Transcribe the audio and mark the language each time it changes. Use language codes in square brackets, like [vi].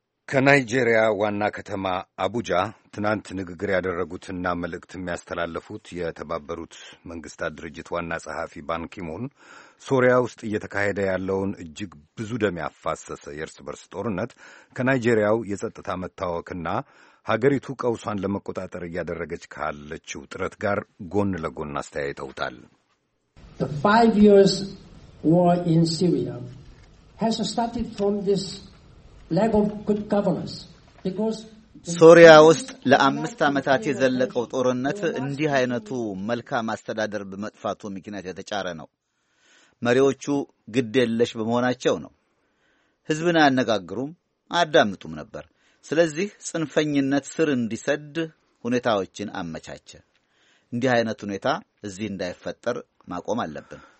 [am] ከናይጄሪያ ዋና ከተማ አቡጃ ትናንት ንግግር ያደረጉትና መልእክት የሚያስተላለፉት የተባበሩት መንግስታት ድርጅት ዋና ጸሐፊ ባንኪሙን ሶሪያ ውስጥ እየተካሄደ ያለውን እጅግ ብዙ ደም ያፋሰሰ የእርስ በርስ ጦርነት ከናይጄሪያው የጸጥታ መታወክና ሀገሪቱ ቀውሷን ለመቆጣጠር እያደረገች ካለችው ጥረት ጋር ጎን ለጎን አስተያይተውታል። [en] The 5 years war in Syria has started from this lack of good governance because [am] ሶሪያ ውስጥ ለአምስት ዓመታት የዘለቀው ጦርነት እንዲህ አይነቱ መልካም አስተዳደር በመጥፋቱ ምክንያት የተጫረ ነው። መሪዎቹ ግድ የለሽ በመሆናቸው ነው። ሕዝብን አያነጋግሩም፣ አያዳምጡም ነበር። ስለዚህ ጽንፈኝነት ስር እንዲሰድ ሁኔታዎችን አመቻቸ። እንዲህ አይነት ሁኔታ እዚህ እንዳይፈጠር ማቆም አለብን።